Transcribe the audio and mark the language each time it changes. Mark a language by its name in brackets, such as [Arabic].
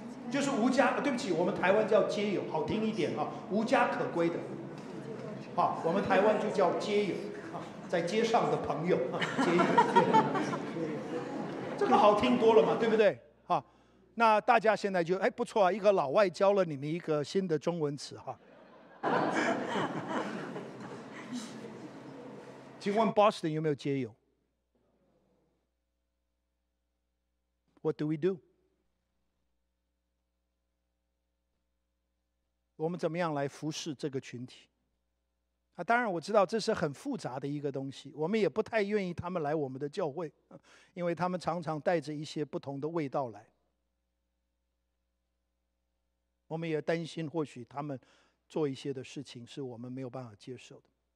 [Chinese] 就是无家，对不起，我们台湾叫街友，好听一点啊，无家可归的，好，我们台湾就叫街友，在街上的朋友，街友，这个好听多了嘛，对不对？啊，那大家现在就哎不错啊，一个老外教了你们一个新的中文词哈。请问 Boston 有没有街友 ？ [English] What do we do？ [Chinese] 我们怎么样来服侍这个群体啊？当然我知道这是很复杂的一个东西，我们也不太愿意他们来我们的教会，因为他们常常带着一些不同的味道来，我们也担心或许他们做一些的事情是我们没有办法接受的。